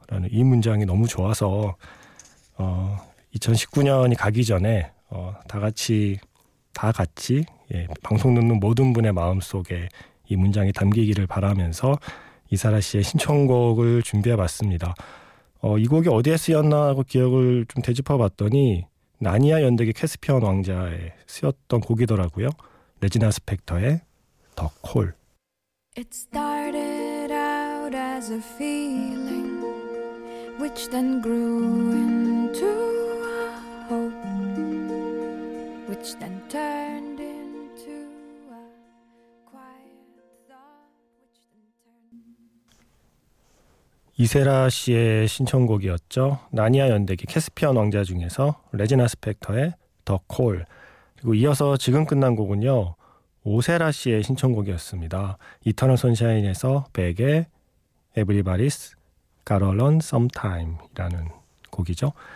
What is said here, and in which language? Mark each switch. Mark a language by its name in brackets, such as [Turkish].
[Korean] 라는 이 문장이 너무 좋아서 2019년이 가기 전에 다 같이 예, 방송 듣는 모든 분의 마음속에 이 문장이 담기기를 바라면서 이사라 씨의 신청곡을 준비해봤습니다. 이 곡이 어디에 쓰였나 하고 기억을 좀 되짚어봤더니 나니아 연대기 캐스피언 왕자에 쓰였던 곡이더라고요. 레지나 스펙터의 더 콜. [English] It started out as a feeling which then grew into a hope which then turned into a quiet thought which then turned. [Korean] 이세라 씨의 신청곡이었죠. 나니아 연대기 캐스피언 왕자 중에서 레지나 스펙터의 더 콜. 그리고 이어서 지금 끝난 곡은요. 오세라 씨의 신청곡이었습니다. 이터널 선샤인에서 백의 Everybody's Got to Learn Sometime 이라는 곡이죠.